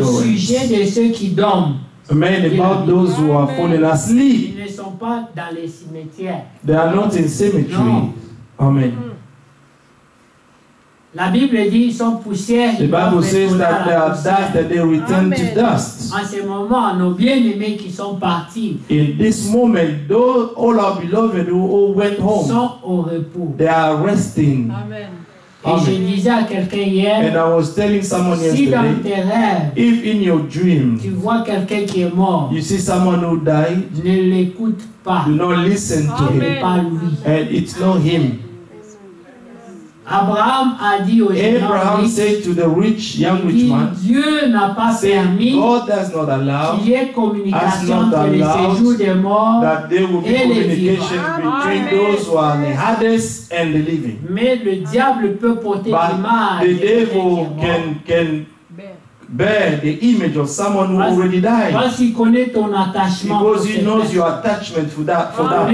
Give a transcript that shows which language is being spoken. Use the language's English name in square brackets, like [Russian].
[French] Au sujet de ceux qui dorment. [English] Amen. About those who are falling asleep. [French] Ils ne sont pas dans les cimetières. [English] They are not in cemetery. [French] Non. [English] Amen. [French] La Bible dit ils sont poussière. [English] The Bible says that they are dust and they return Amen. To dust. [French] En ce moment, nos bien-aimés qui sont partis. [English] In this moment, those all our beloved who all went home [French] sont au repos. [English] They are resting. Amen. Amen. Et je disais à quelqu'un hier, and I was telling someone [French] si [English] yesterday, [French] dans tes rêves, [English] if in your dream, [French] tu vois quelqu'un qui est mort, [English] you see someone who died, [French] ne l'écoute pas. [English] Do not listen to him. [French] Pas lui. [English] And it's not him. [French] Abraham a dit aux [English] Abraham [French] gens [English] said to the rich young rich man, [French] Dieu n'a pas permis [English] God does not allow, [French] qu'il y ait communication entre les séjours des morts [English] that there will be [French] et les [English] communication [French] vivants. [English] Between those who are in the Hades and the living. [French] Mais le diable peut porter l'image. [English] The devil can bear the image of someone who already died. [French] Parce qu'il connaît ton attachement. [English] Because he knows your attachment for that person.